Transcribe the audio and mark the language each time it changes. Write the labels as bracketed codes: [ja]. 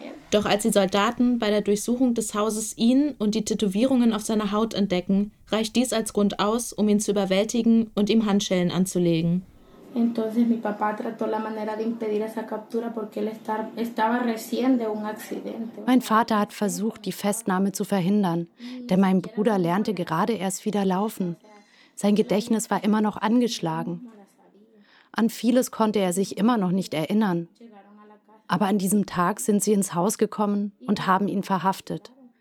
[de] Doch als die Soldaten bei der Durchsuchung des Hauses ihn und die Tätowierungen auf seiner Haut entdecken, reicht dies als Grund aus, um ihn zu überwältigen und ihm Handschellen anzulegen. [es] Entonces mi papá trató la manera de impedir esa captura porque él estaba recién de un accidente. [de] Mein Vater hat versucht, die Festnahme zu verhindern, denn mein Bruder lernte gerade erst wieder laufen. Sein Gedächtnis war immer noch angeschlagen. An vieles konnte er sich immer noch nicht erinnern. Aber an diesem Tag sind sie ins Haus gekommen und haben ihn verhaftet.